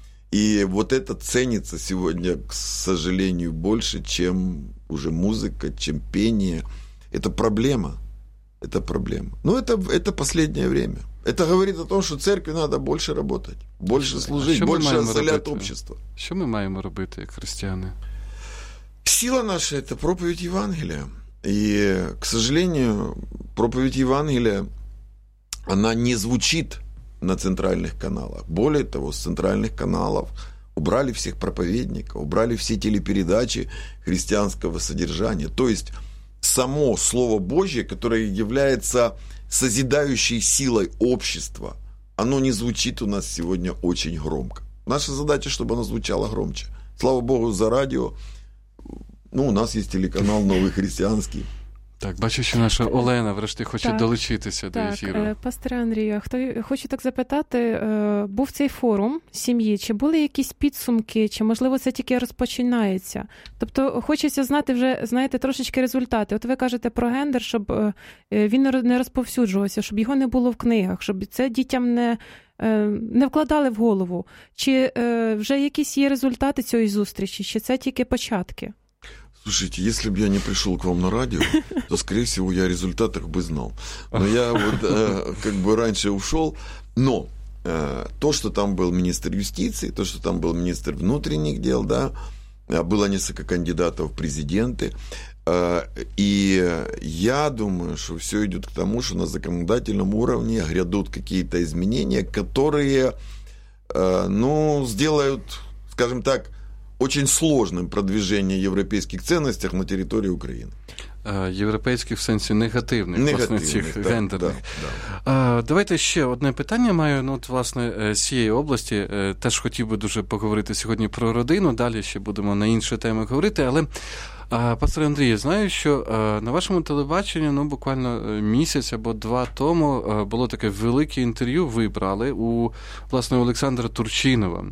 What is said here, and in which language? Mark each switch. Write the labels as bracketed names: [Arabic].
[Russian] И вот это ценится сегодня, к сожалению, больше, чем уже музыка, чем пение. Это проблема. Это проблема. Ну, это последнее время. Это говорит о том, что церкви надо больше работать, больше служить, больше озалять общество. [Ukrainian] Что мы маем робити, як християни? [Russian] Сила наша – это проповедь Евангелия. И, к сожалению, проповедь Евангелия, она не звучит на центральных каналах. Более того, с центральных каналов убрали всех проповедников, убрали все телепередачи христианского содержания. То есть само Слово Божье, которое является созидающей силой общества, оно не звучит у нас сегодня очень громко. Наша задача, чтобы оно звучало громче. Слава Богу за радио. Ну, у нас есть телеканал «Новый христианский». [Ukrainian] Так, бачу, що наша Олена врешті хоче так, долучитися до ефіру. Так, пастор Андрію, хочу так запитати, був цей форум сім'ї, чи були якісь підсумки, чи, можливо, це тільки розпочинається? Тобто, хочеться знати вже, знаєте, трошечки результати. От ви кажете про гендер, щоб він не розповсюджувався, щоб його не було в книгах, щоб це дітям не вкладали в голову. Чи вже якісь є результати цієї зустрічі, чи це тільки початки? [Russian] Слушайте, если бы я не пришел к вам на радио, то, скорее всего, я о результатах бы знал. Но я вот как бы раньше ушел. Но то, что там был министр юстиции, то, что там был министр внутренних дел, да, было несколько кандидатов в президенты. И я думаю, что все идет к тому, что на законодательном уровне грядут какие-то изменения, которые, ну, сделают, скажем так, очень сложным продвижение европейских ценностей на территории Украины. [Ukrainian] Европейских в сенсі негативних, негативних власне, цих [Russian] да, [Ukrainian] гендерних. [Russian] Да. [Ukrainian] Давайте ще одне питання маю. Ну, от, власне, з цієї області теж хотів би дуже поговорити сьогодні про родину. Далі ще будемо на інші теми говорити. Але, пастор Андрій, знаю, що на вашому телебаченні, ну, буквально місяць або два тому було таке велике інтерв'ю, ви брали у, власне, Олександра Турчинова.